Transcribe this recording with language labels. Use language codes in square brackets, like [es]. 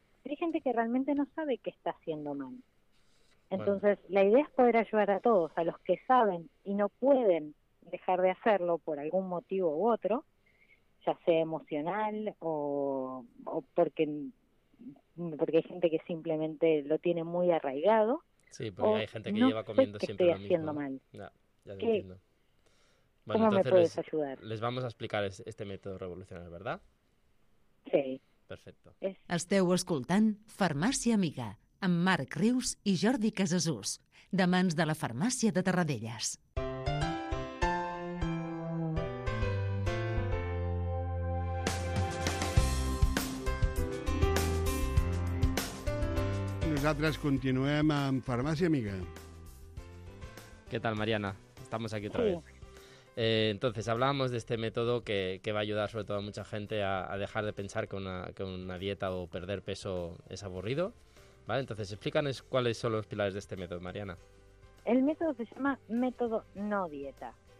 [es] Pero hay gente que realmente no sabe qué está haciendo mal. Entonces, bueno, la idea es poder ayudar a todos, a los que saben y no pueden dejar de hacerlo por algún motivo u otro, ya sea emocional o porque hay gente que simplemente lo tiene muy arraigado. Sí, porque hay gente que no lleva comiendo que siempre lo mismo. Haciendo mal. Ya te entiendo. Bueno, ¿cómo me puedes ayudar? Les vamos a explicar este método revolucionario, ¿verdad? Sí. Perfecto. [ca] Esteu escoltant Farmàcia Amiga, amb Marc Rius i Jordi Casasús, de mans de la Farmàcia de Tarradellas. Nosaltres continuem amb Farmàcia Amiga. [es] ¿Qué tal, Mariana? Estamos aquí otra vez. Entonces, hablábamos de este método que va a ayudar sobre todo a mucha gente a dejar de pensar que una dieta o perder peso es aburrido, ¿vale? Entonces, explícanos cuáles son los pilares de este método, Mariana. El método se llama método no dieta.